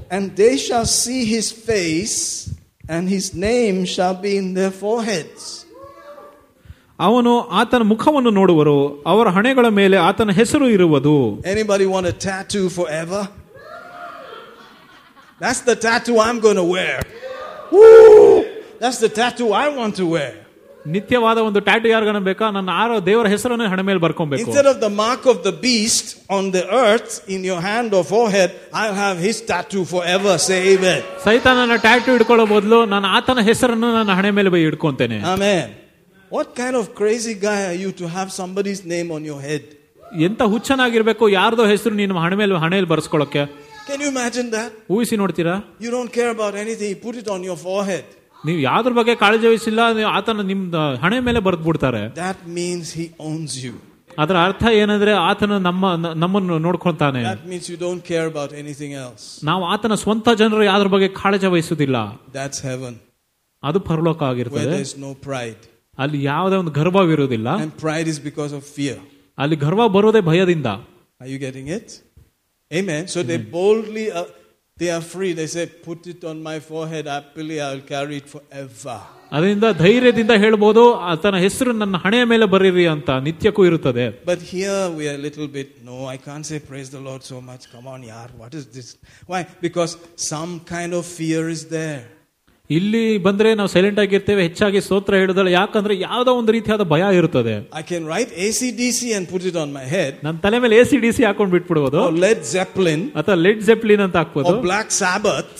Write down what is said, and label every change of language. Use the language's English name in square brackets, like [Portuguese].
[English] And they shall see his face, and his name shall be in their foreheads. [Kannada] ಅವನು ಆತನ ಮುಖವನ್ನು ನೋಡುವರು, ಅವರ ಹಣೆಗಳ ಮೇಲೆ ಆತನ ಹೆಸರು ಇರುವುದು. [English] Anybody want a tattoo forever? That's the tattoo I'm going to wear. Woo! That's the tattoo I want to wear. [Kannada] ನಿತ್ಯವಾದ ಒಂದು ಟ್ಯಾಟೂ ಯಾರು ಬೇಕೋ ನನ್ನ ಆರೋ ದೇವರ ಹೆಸರನ್ನು ಹಣೆ ಮೇಲೆ ಬರ್ಕೊಬೇಕು. [English] Instead of the mark of the beast on the earth in your hand or forehead, I'll have his tattoo forever. Say amen. [Kannada] ಸೈತಾನನ ಟ್ಯಾಟೂ ಇಟ್ಕೊಳ್ಳೋ ಬದಲು ನಾನು ಆತನ ಹೆಸರನ್ನು ನನ್ನ ಹಣೆ ಮೇಲೆ by ಇಟ್ಕೊಂತೇನೆ. [English] Amen. What kind of crazy guy are you to have somebody's name on your head? [Kannada] ಎಂತ ಹುಚ್ಚನಾಗಿರ್ಬೇಕು ಯಾರದೋ ಹೆಸರು ನಿಮ್ಮ ಹಣೆಯಲ್ಲಿ ಬರೆಸ್ಕೊಳ್ಳೋಕೆ? [English] Can you imagine that? [Kannada] ಊಹಿಸಿ ನೋಡ್ತೀರಾ? [English] You don't care about anything, you put it on your forehead. [Kannada] ನೀವು ಯಾವ್ದ್ರ ಬಗ್ಗೆ ಕಾಳಜಿ ವಹಿಸಿಲ್ಲ, ಆತನ ನಿಮ್ ಹಣೆ ಮೇಲೆ ಬರೆದು ಬಿಡ್ತಾರೆ. [English] That means he owns you. [Kannada] ಅದರ ಅರ್ಥ ಏನಂದ್ರೆ ಆತನ ನಮ್ಮನ್ನು ನೋಡ್ಕೊಳ್ತಾನೆ. [English] That means you don't care about anything else. [Kannada] ನಾವು ಆತನ ಸ್ವಂತ ಜನರು ಯಾವ್ದ್ರ ಬಗ್ಗೆ ಕಾಳಜಿ ವಹಿಸುವುದಿಲ್ಲ. [English] That's heaven. [Kannada] ಅದು ಪರಲೋಕ ಆಗಿರುತ್ತದೆ. [English] Where there is no pride. [Kannada] ಅಲ್ಲಿ ಯಾವುದೇ ಒಂದು ಗರ್ವವಿರುವುದಿಲ್ಲ. [English] And pride is because of fear. [Kannada] ಅಲ್ಲಿ ಗರ್ವ ಬರೋದೇ ಭಯದಿಂದ. [English] Are you getting it? Amen. So they boldly, they are free. They say, put it on my forehead happily, I will carry it forever. [Kannada] ಅದರಿಂದ ಧೈರ್ಯದಿಂದ ಹೇಳಬಹುದು ಆತನ ಹೆಸರು ನನ್ನ ಹಣೆಯ ಮೇಲೆ ಬರೀರಿ ಅಂತ ನಿತ್ಯಕ್ಕೂ ಇರುತ್ತದೆ. [English] But here we are a little bit, no, I can't say praise the Lord so much. Come on, yaar, what is this? Why? Because some kind of fear is there. [Kannada] ಇಲ್ಲಿ ಬಂದ್ರೆ ನಾವು ಸೈಲೆಂಟ್ ಆಗಿರ್ತೇವೆ, ಹೆಚ್ಚಾಗಿ ಸ್ತೋತ್ರ ಹೇಳುದಲ್ಲ, ಯಾಕಂದ್ರೆ ಯಾವ್ದೋ ಒಂದು ರೀತಿಯಾದ ಭಯ ಇರುತ್ತದೆ. [English] I can write ACDC and put it on my head. [Kannada] ನನ್ನ ತಲೆ ಮೇಲೆ ACDC ಹಾಕೊಂಡು ಬಿಟ್ಬಿಡುವುದು. [English] Led Zeppelin [Kannada] ಅಥವಾ ಲೆಡ್ ಜೆಪ್ಲಿನ್ ಅಂತ ಹಾಕ್ಬೋದು. [English] Black Sabbath